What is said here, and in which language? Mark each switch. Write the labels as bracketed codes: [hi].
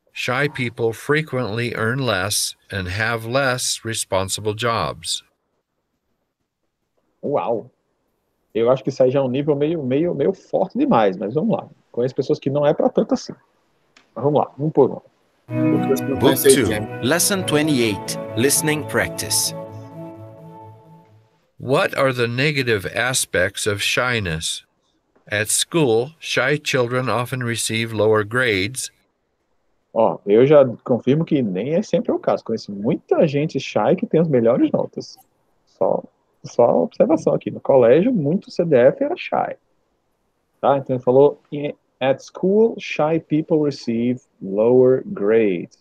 [en] Shy people frequently earn less and have less responsible jobs. [pt] Uau! Eu acho que isso aí já é um nível meio forte demais, mas vamos lá. Conheço pessoas que não é para tanto assim. Mas vamos lá, um por um. [en] Book 2, Lesson 28, Listening Practice. What are the negative aspects of shyness? At school, shy children often receive lower grades. [pt] Ó, eu já confirmo que nem é sempre o caso. Conheço muita gente shy que tem as melhores notas. Só observação aqui. No colégio, muito CDF era shy. Tá? Então ele falou, [en] at school, shy people receive lower grades.